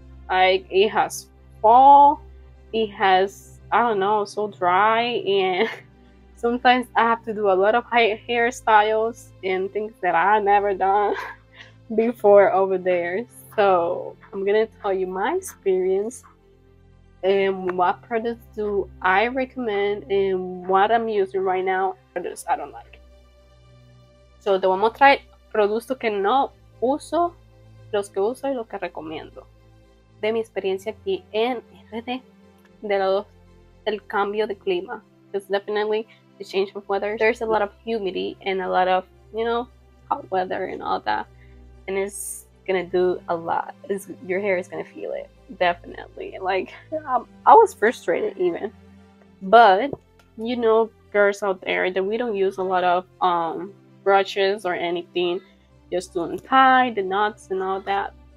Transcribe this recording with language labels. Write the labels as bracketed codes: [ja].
[en] Like, it has fall, it has, I don't know, so dry, and sometimes I have to do a lot of hairstyles and things that I've never done before over there. So I'm gonna tell you my experience and what products do I recommend and what I'm using right now, products I don't like. [es] So te voy a mostrar productos que no uso, los que uso y los que recomiendo. De mi experiencia aquí en RD, de los del cambio de clima. [en] It's definitely the change of weather. There's a lot of humidity and a lot of, hot weather and all that, and it's gonna do a lot. Your hair is gonna feel it, definitely. Like, I was frustrated even, but girls out there, that we don't use a lot of brushes or anything, just to untie the knots and all that.